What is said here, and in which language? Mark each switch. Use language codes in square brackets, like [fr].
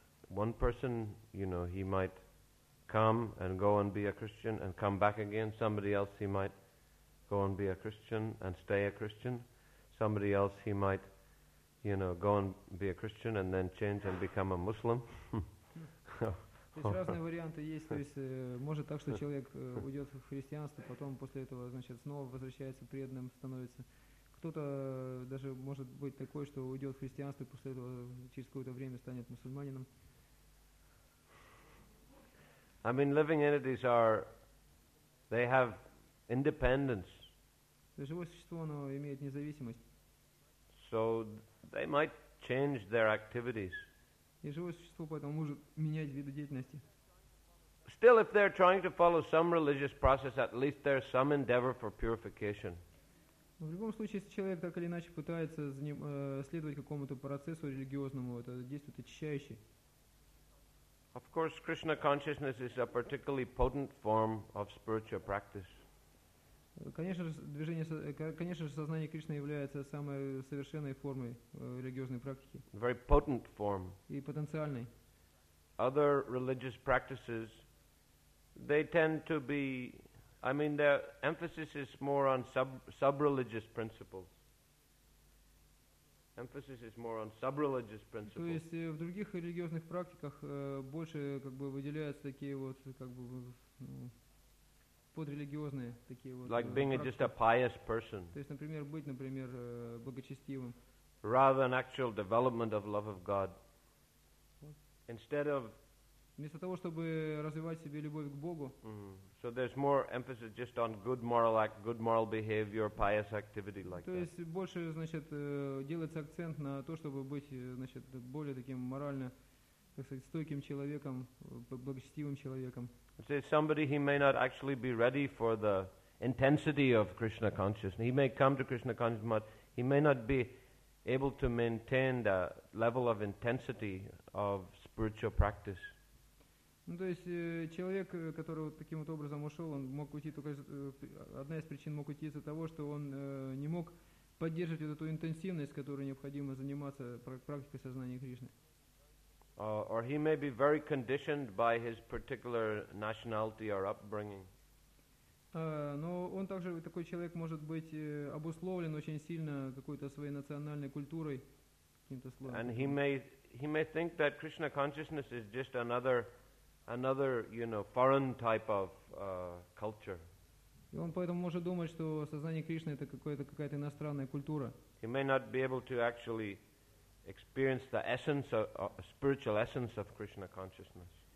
[en] One person, you know, he might come and go and be a Christian and come back again. Somebody else, he might go and be a Christian and stay a Christian. Somebody else, he might, you know, go and be a Christian and then change and become a Muslim. [ru] То есть разные варианты есть. То есть может так, что человек уйдет в христианство, потом после этого, значит, снова возвращается преданным, становится. Кто-то даже может быть такой, что уйдет в христианство и после этого через какое-то время станет мусульманином. [en] I mean, living entities are, they have independence. [ru] Живое существо, оно имеет независимость. [en] So they might change their activities. [ru] И живое существо поэтому может менять виды деятельности. [en] Still, if they're trying to follow some religious process, at least there's some endeavor for purification. [ru] В любом случае, если человек так или иначе пытается следовать какому-то процессу религиозному, это действует очищающе. [en] Of course, Krishna consciousness is a particularly potent form of spiritual practice. [ru] Конечно же, сознание Кришны является самой совершенной формой религиозной практики. [en] Very potent form. [ru] И потенциальной. [en] Other religious practices, they tend to be, I mean, their emphasis is more on sub-religious principles. Emphasis is more on sub-religious principles. [ru] То есть в других религиозных практиках больше как бы выделяются такие вот как бы подрелигиозные такие вот. [en] Like being just a pious person. [ru] То есть, например, быть, например, благочестивым. [en] Rather than actual development of love of God. Instead of. [ru] Вместо того, чтобы развивать себе любовь к Богу. [en] So there's more emphasis just on good moral act, good moral behavior, pious activity like that. [ru] То есть больше, значит, делается акцент на то, чтобы быть, значит, более таким морально, как сказать, стойким человеком, благочестивым человеком. [en] Say somebody, he may not actually be ready for the intensity of Krishna consciousness. He may come to Krishna consciousness, but he may not be able to maintain the level of intensity of spiritual practice. [ru] Ну, то есть человек, который вот таким вот образом ушел, он мог уйти только одна из причин мог уйти из-за того, что он не мог поддерживать вот эту интенсивность, которой необходимо заниматься практикой сознания Кришны. [en] Or he may be very conditioned by his particular nationality or upbringing. [ru] Но он также такой человек может быть обусловлен очень сильно какой-то своей национальной культурой, каким-то словом. [en] And he may think that Krishna consciousness is just another, you know, foreign type of culture. [ru] И он поэтому может думать, что сознание Кришны это какая-то иностранная культура. [en] He may not be able to actually experience the essence of spiritual essence of Krishna consciousness.